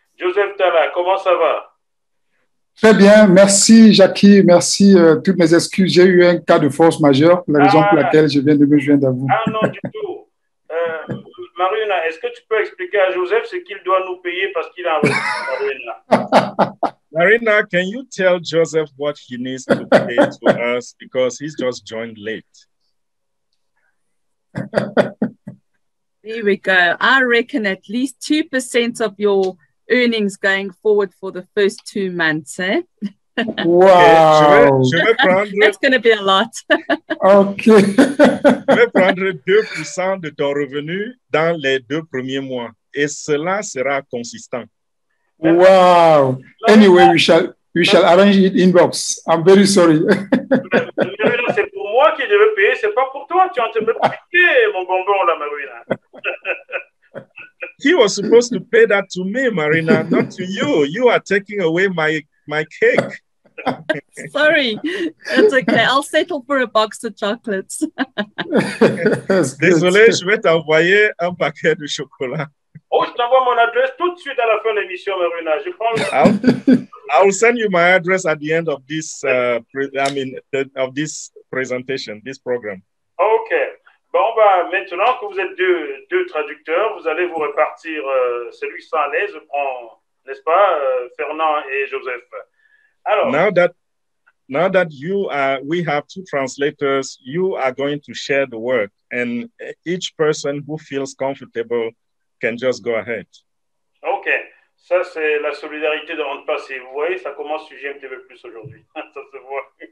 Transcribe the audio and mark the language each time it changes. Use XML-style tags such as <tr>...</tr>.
<fr>Joseph Tala, comment ça va? Très bien, merci Jackie, merci, toutes mes excuses. J'ai eu un cas de force majeure, la raison pour laquelle je viens de me joindre à vous. Ah non, du tout. Marina, est-ce que tu peux expliquer à Joseph ce qu'il doit nous payer parce qu'il a envie de Marina?</fr> <en>Marina, can you tell Joseph what he needs to pay to us because he's just joined late? Here we go. I reckon at least 2% of your earnings going forward for the first 2 months, eh? Wow. That's going to be a lot. Okay.</en> <fr>Je vais prendre 2% de ton revenu dans les deux premiers mois. Et cela sera consistant.</fr> <en>Wow. Anyway, we shall arrange it inbox. I'm very sorry.</en> <fr>Marina, c'est pour moi qui devais payer. C'est pas pour toi. Tu es en train de me piquer mon bonbon, là, Marina.</fr> <en>He was supposed to pay that to me, Marina, not to you. You are taking away my cake. Sorry, it's okay. I'll settle for a box of chocolates.</en> <fr>Désolé, je vais t'envoyer un paquet de chocolat. Oh, je t'envoie mon adresse tout de suite à la fin de l'émission, Marina. Je prends.</fr> <en>I'll send you my address at the end of this. Of this presentation, this program. Okay.</en> <fr>Bon, bah, maintenant que vous êtes deux traducteurs, vous allez vous répartir. Celui qui s'en est, je prends, n'est-ce pas, Fernand et Joseph. Alors.</fr> <en>Now that you are, we have two translators. You are going to share the work, and each person who feels comfortable can just go ahead.</en> <fr>Okay, ça c'est la solidarité de OnPassive. Vous voyez, ça commence sur GMTV+ aujourd'hui. Ça se voit.</fr>